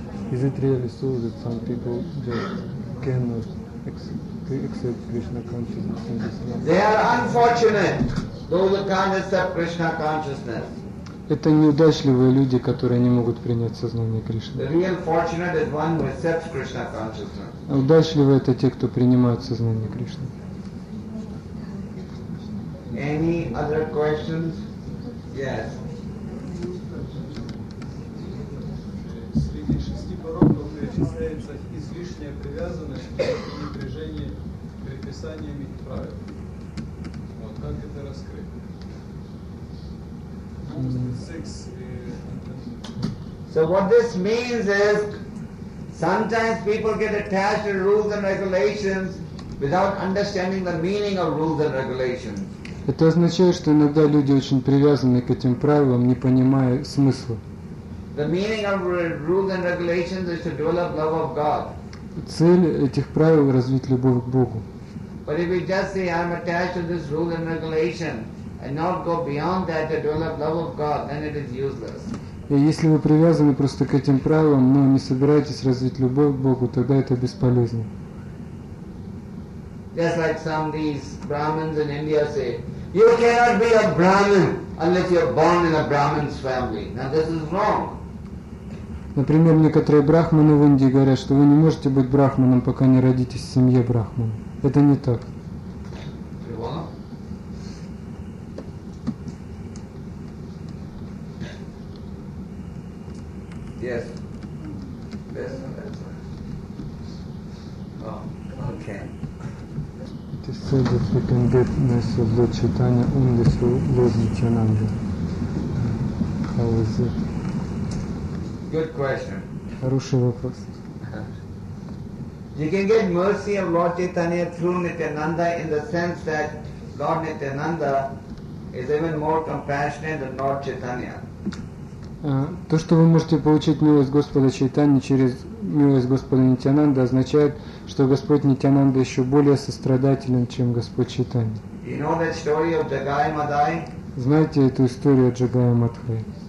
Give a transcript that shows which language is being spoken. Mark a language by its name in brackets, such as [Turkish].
[English] Is it really so that some people just cannot accept Krishna consciousness in this life? They are unfortunate, those who can't accept Krishna consciousness. [Russian] Это неудачливые люди, которые не могут принять сознание Кришны. Удачливые — это те, кто принимают сознание Кришны. [English] Any other questions? Yes. [Russian] Среди шести пороков перечисляется излишняя привязанность, напряжение, переписаниями правил. Вот как это раскрыть? [English] So what this means is, sometimes people get attached to rules and regulations without understanding the meaning of rules and regulations. [Russian] Это означает, что иногда люди очень привязаны к этим правилам, не понимая смысла. [English] The meaning of rules and regulations is to develop love of God. [Russian] Цель этих правил — развить любовь к Богу. [English] But if we just say, I'm attached to this rule and regulation, and not go beyond that to develop love of God, then it is useless. [Russian] И если вы привязаны просто к этим правилам, но не собираетесь развить любовь к Богу, тогда это бесполезно. [English] Just like some of these Brahmins in India say, you cannot be a Brahmin unless you are born in a Brahmin's family. Now this is wrong. [Russian] Например, некоторые брахманы в Индии говорят, что вы не можете быть брахманом, пока не родитесь в семье брахмана. Это не так. [English] Yes. Yes. Yes. Oh. Okay. It is said that we can get nice of Lord Chaitanya only through Lord Nityananda. How is it? Good question. [Russian] Хороший вопрос. [English] You can get mercy of Lord Chaitanya through Nityananda in the sense that Lord Nityananda is even more compassionate than Lord Chaitanya. [Russian] То, что вы можете получить милость Господа Чайтани через милость Господа Нитянанда, означает, что Господь Нитянанда еще более сострадателен, чем Господь Чайтани. [English] You know that story of Jagaya Madhai? [Russian] Знаете эту историю о Джагая Мадхай?